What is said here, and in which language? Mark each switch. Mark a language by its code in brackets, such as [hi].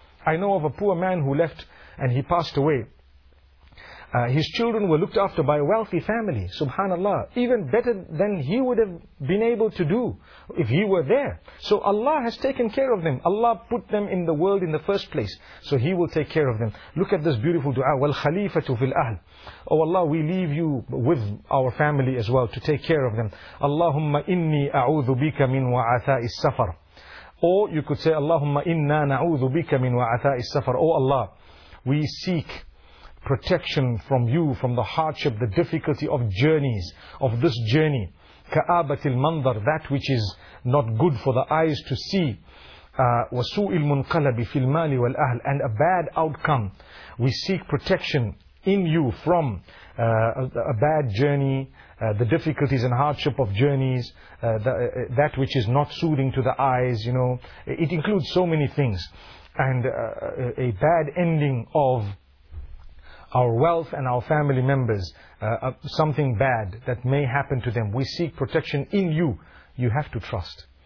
[en] I know of a poor man who left and he passed away. His children were looked after by a wealthy family, subhanAllah, even better than he would have been able to do if he were there. So Allah has taken care of them. Allah put them in the world in the first place. So He will take care of them. Look at this beautiful dua, [ar] وَالْخَلِيفَةُ فِي الْأَهْلِ. [en] Oh Allah, we leave you with our family as well to take care of them. [ar] اللَّهُمَّ إِنِّي أَعُوذُ بِكَ مِنْ وَعَثَاءِ السَّفَرِ. [en] Or you could say, [ar] اللَّهُمَّ إِنَّا نَعُوذُ بِكَ مِنْ وَعَثَاءِ السَّفَرِ. [en] Oh Allah, we seek protection from You, from the hardship, the difficulty of journeys, of this journey. [ar] كَآبَةِ الْمَنْظَرِ, [en] that which is not good for the eyes to see. [ar] وَسُوءِ الْمُنْقَلَبِ فِي الْمَالِ وَالْأَهْلِ [en] and a bad outcome. We seek protection in you from a bad journey, the difficulties and hardship of journeys, that which is not soothing to the eyes, you know. It includes so many things. And a bad ending of our wealth and our family members, something bad that may happen to them. We seek protection in you. You have to trust.